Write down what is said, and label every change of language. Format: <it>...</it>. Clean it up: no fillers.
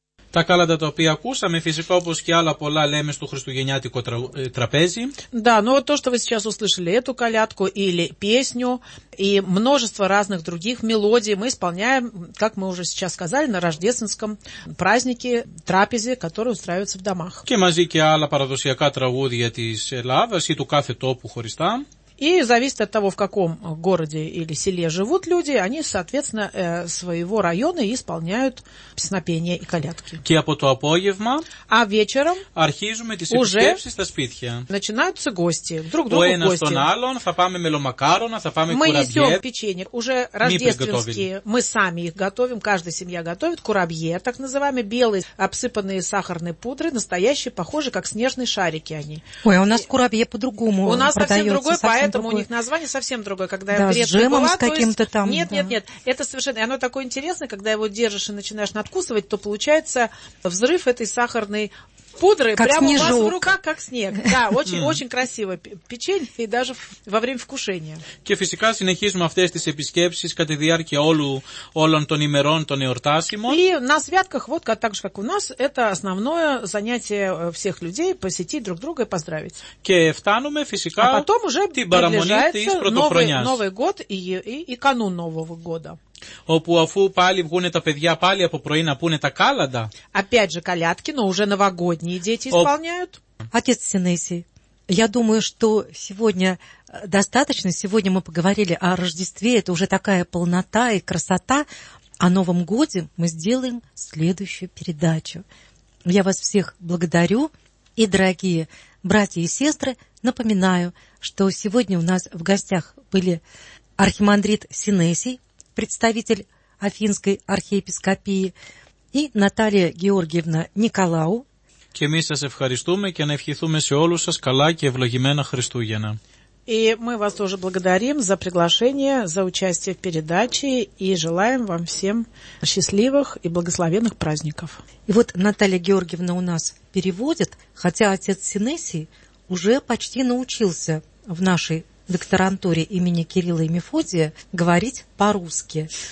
<el>Τα κάλαντα τα οποία ακούσαμε, φυσικά όπως και άλλα πολλά λέμε στο Χριστουγεννιάτικο τραπέζι.</el> <ru>Да, ну вот то, что вы сейчас услышали, эту колядку или песню и множество разных других мелодий мы исполняем, как мы уже сейчас сказали, на рождественском празднике, трапезе, который устраивается в домах.</ru> <el>Και мази και άλλα παραδοσιακά τραγούδια της Ελλάδας ή του κάθε τόπου χωριστά.</el> <ru>И зависит от того, в каком городе или селе живут люди, они, соответственно, своего района исполняют песнопения и колядки.</ru> <el>Και από το απόγευμα,</el> <ru>а вечером</ru> <el>αρχίζουμε τις επισκέψεις στα σπίτια.</el> <ru>Начинаются гости, друг другу гости.</ru> <el>Ο ένας τον άλλον, θα πάμε μελομακάρονα, θα πάμε κουραμπιέ.</el> <ru>Мы несем печенье, уже рождественские, мы сами их готовим, каждая семья готовит, курабье, так называемые, белые, обсыпанные сахарной пудрой, настоящие, похожие, как снежные шарики они. Ой, у нас курабье по-другому у нас продается. Совсем другой, поэтому другой. У них название совсем другое, когда да, вред с джемом с каким-то там. Нет, да. Нет, нет. Это совершенно, оно такое интересное, когда его держишь и начинаешь надкусывать, то получается взрыв этой сахарной пудры как прямо снежок. У вас в руках, как снег. Да, очень-очень красиво печенье и даже во время вкушения.</ru> <el>Και φυσικά συνεχίζουμε αυτές τις επισκέψεις κατά τη διάρκεια όλων των ημερών των εορτάσιμων.</el> <ru>И на святках, вот так же, как у нас, это основное занятие всех людей, посетить друг друга и поздравить.</ru> <el>Και φτάνουμε φυσικά</el> <ru>а потом уже</ru> <el>την παραμονή της Πρωτοχρονιάς.</el> <ru>Новый год и канун Нового года.</ru> <el>Όπου αφού πάλι βγουν τα παιδιά πάλι από πρωί να πούνε τα κάλαντα.</el> <ru>Опять же колядки, но уже новогодние дети исполняют. Отец Синесий, я думаю, что сегодня достаточно. Сегодня мы поговорили о Рождестве. Это уже такая полнота и красота. О Новом Годе мы сделаем следующую передачу. Я вас всех благодарю. И, дорогие братья и сестры, напоминаю, что сегодня у нас в гостях были архимандрит Синесий, представитель Афинской архиепископии, и Наталья Георгиевна Николау.</ru> <el>Και εμείς σας ευχαριστούμε και να ευχηθούμε σε όλους σας καλά και ευλογημένα Χριστούγεννα.</el> <ru>И мы вас тоже благодарим за приглашение, за участие в передаче и желаем вам всем счастливых и благословенных праздников. И вот Наталья Георгиевна у нас переводит, хотя отец Синесий уже почти научился в нашей докторантуре имени Кирилла и Мефодия говорить по-русски.</ru>